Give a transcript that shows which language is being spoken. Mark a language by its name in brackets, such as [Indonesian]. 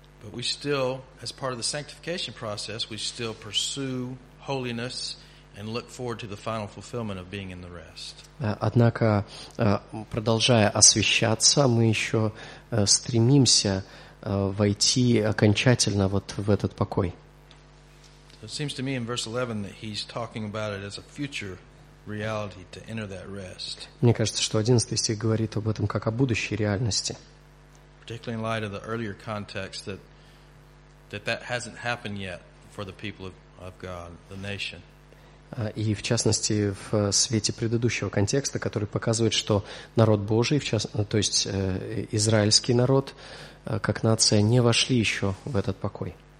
[English] But we still, as part of the sanctification process, we still pursue holiness and look forward to the final fulfillment of being in the rest. [Russian] Однако, продолжая освящаться, мы еще стремимся войти окончательно вот в этот покой. [English] So it seems to me in verse 11 that he's talking about it as a future reality to enter that rest. [Russian] Мне кажется, что 11 стих говорит об этом как о будущей реальности. [English] Particularly in light of the earlier context that hasn't happened yet for the people of God, the nation. [Russian] И в частности, в свете предыдущего контекста, который показывает, что народ Божий, то есть израильский народ, как нация, не вошли еще в этот покой.